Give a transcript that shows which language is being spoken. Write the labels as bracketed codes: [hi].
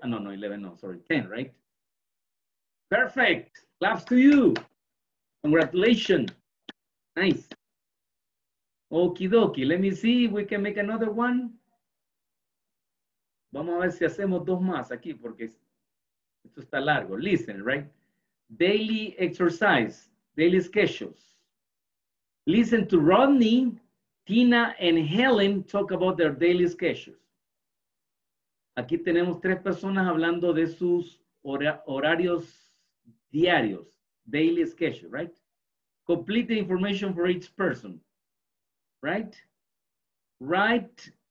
[en] Oh, no, no, 11, no, sorry, 10, right? Perfect. Claps to you. Congratulations. Nice. Okie dokie, let me see if we can make another one. [es] Vamos a ver si hacemos dos más aquí, porque esto está largo. [en] Listen, right? Daily exercise, daily schedules. Listen to Rodney, Tina, and Helen talk about their daily schedules. [es] Aquí tenemos tres personas hablando de sus horarios diarios, [en] daily schedule, right? Complete the information for each person. Right? Write